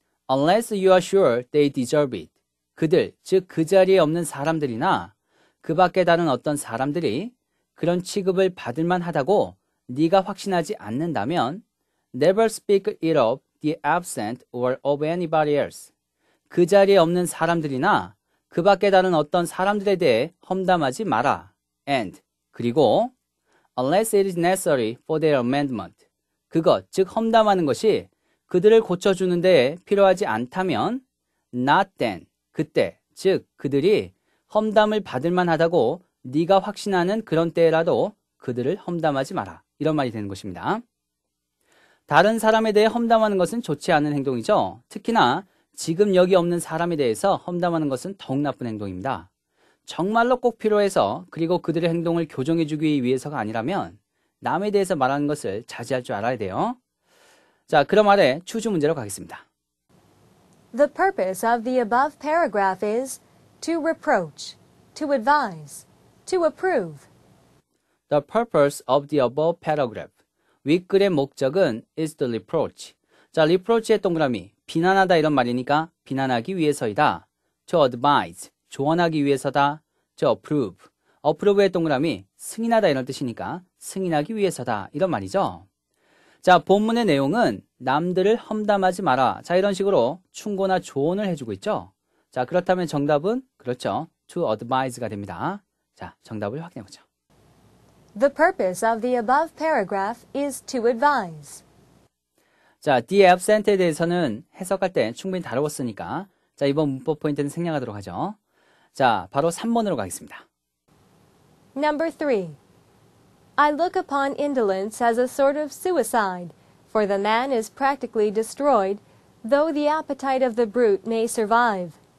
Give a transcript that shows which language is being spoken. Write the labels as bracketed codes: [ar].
[en] Unless you are sure they deserve it. [ko] 그들, 즉 그 자리에 없는 사람들이나 그 밖에 다른 어떤 사람들이 그런 취급을 받을 만하다고 네가 확신하지 않는다면 [en] never speak ill of the absent or of anybody else. [ko] 그 자리에 없는 사람들이나 그 밖에 다른 어떤 사람들에 대해 험담하지 마라. [en] And, 그리고 unless it is necessary for their amendment. [ko] 그것, 즉 험담하는 것이 그들을 고쳐주는 데 필요하지 않다면 [en] not then, [ko] 그때, 즉 그들이 험담을 받을 만하다고 네가 확신하는 그런 때라도 그들을 험담하지 마라. 이런 말이 되는 것입니다. 다른 사람에 대해 험담하는 것은 좋지 않은 행동이죠. 특히나 지금 여기 없는 사람에 대해서 험담하는 것은 더욱 나쁜 행동입니다. 정말로 꼭 필요해서 그리고 그들의 행동을 교정해주기 위해서가 아니라면 남에 대해서 말하는 것을 자제할 줄 알아야 돼요. 자, 그럼 아래 추주 문제로 가겠습니다. [en] The purpose of the above paragraph is to reproach, to advise, to approve. The purpose of the above paragraph. [ko] 윗글의 목적은 [en] is to reproach. [ko] 자, reproach의 동그라미. 비난하다 이런 말이니까 비난하기 위해서이다. [en] To advise, [ko] 조언하기 위해서다. [en] To approve, [ko] approve의 동그라미, 승인하다 이런 뜻이니까 승인하기 위해서다 이런 말이죠. 자, 본문의 내용은 남들을 험담하지 마라. 자, 이런 식으로 충고나 조언을 해주고 있죠. 자, 그렇다면 정답은 그렇죠. To advise가 됩니다. 자, 정답을 확인해보죠. [en] The purpose of the above paragraph is to advise. [ko] 자, the absent에 대해서는 해석할 때 충분히 다루었으니까 자, 이번 문법 포인트는 생략하도록 하죠. 자, 바로 3번으로 가겠습니다. [en] Number 3. I look upon indolence as a sort of suicide, for the man is practically destroyed, though the appetite of the brute may survive.